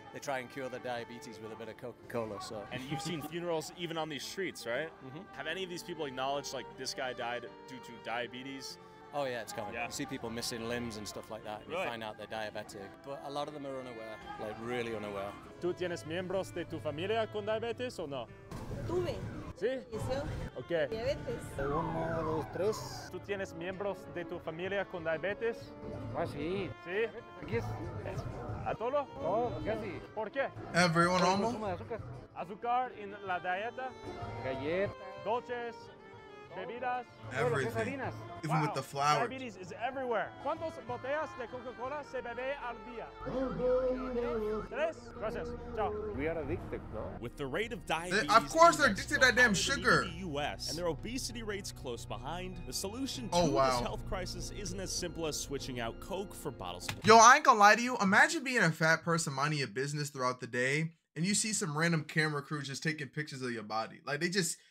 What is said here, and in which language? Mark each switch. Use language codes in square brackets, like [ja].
[en] They try and cure their diabetes with a bit of Coca-Cola. So. And you've seen funerals even on these streets, right? Mm-hmm. Have any of these people acknowledged like this guy died due to diabetes? Oh, yeah, it's coming. Yeah. You see people missing limbs and stuff like that. And really? You find out they're diabetic. But a lot of them are unaware, like really unaware. [es] ¿Tú tienes miembros de tu familia con diabetes o no? Tuve. ¿Sí? ¿Sí? Okay. ¿Diabetes? Uno, dos, tres. ¿Tú tienes miembros de tu familia con diabetes? Ah, sí. ¿Sí? ¿Aquí es? ¿A todo? No, casi. ¿Por qué? [en] Everyone almost. [es] ¿Cómo azúcar? ¿Azúcar en la dieta? Galletas. Dulces. Bebidas. [en] Everything. Wow. Even with the flour. Diabetes is everywhere. [es] ¿Cuántas botellas de Coca-Cola se bebe al día? Tres. Gracias. Ciao. [en] We are addicted, no? With the rate of diabetes. Of course they're addicted to that damn sugar. In the US, and their obesity rates close behind, the solution oh, to wow. this health crisis isn't as simple as switching out Coke for bottles. Yo, I ain't gonna lie to you. Imagine being a fat person minding your business throughout the day, and you see some random camera crew just taking pictures of your body. Like, they just...